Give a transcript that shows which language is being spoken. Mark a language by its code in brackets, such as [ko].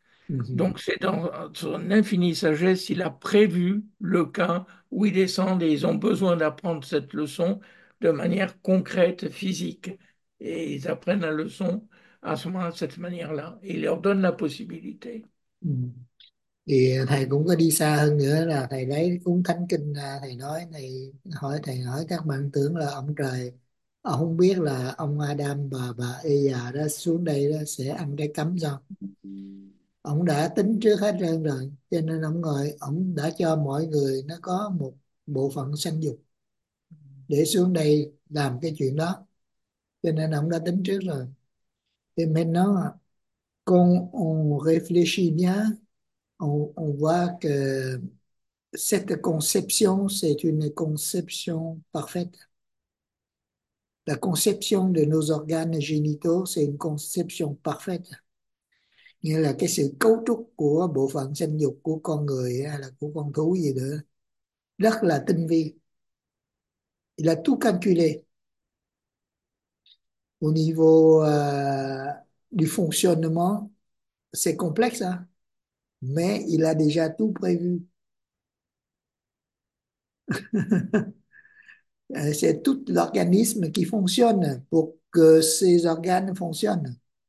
[fr] Donc, c'est dans son infinie sagesse, il a prévu le cas où ils descendent et ils ont besoin d'apprendre cette leçon de manière concrète, physique. Et ils apprennent la leçon à ce moment-là, de cette manière-là. Il leur donne la possibilité. [vi] Thì thầy cũng có đi xa hơn nữa là thầy lấy cuốn thánh kinh ra, thầy nói, thầy hỏi các bạn tưởng là ông trời, ông không biết là ông Adam và bà Eva đó xuống đây đó sẽ ăn trái cấm sao? Ông đã tính trước hết trơn rồi, cho nên ông ngồi, ông đã cho mọi người nó có một bộ phận sanh dục để xuống đây làm cái chuyện đó, cho nên ông đã tính trước rồi. Thì mình nó [fr] Quand on réfléchit bien, on voit que cette conception, c'est une conception parfaite. La conception de nos organes génitaux, c'est une conception parfaite. [vi] Nghĩa là cái sự cấu trúc của bộ phận sinh dục của con người hay là của con thú gì nữa, rất là tinh vi. [fr] Là tout calculé. Au niveau du fonctionnement, c'est complexe, hein? Mais il a déjà tout prévu. C'est tout l'organisme qui fonctionne pour que ces organes fonctionnent.